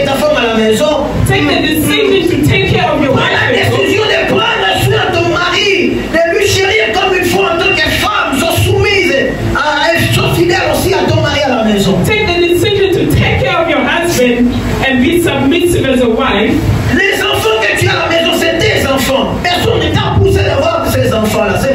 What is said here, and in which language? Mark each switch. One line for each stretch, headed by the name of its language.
English: Take the decision to take care of your wife.
French: La décision de prendre soin de ton mari, de lui chérir comme il faut en tant que femme, sois soumise à être fidèle aussi à ton mari à la maison.
English: Take the decision to take care of your husband and be submissive as a wife.
French: Les enfants que tu as à la maison, c'est tes enfants. Personne ne t'a poussé d'avoir ces enfants-là.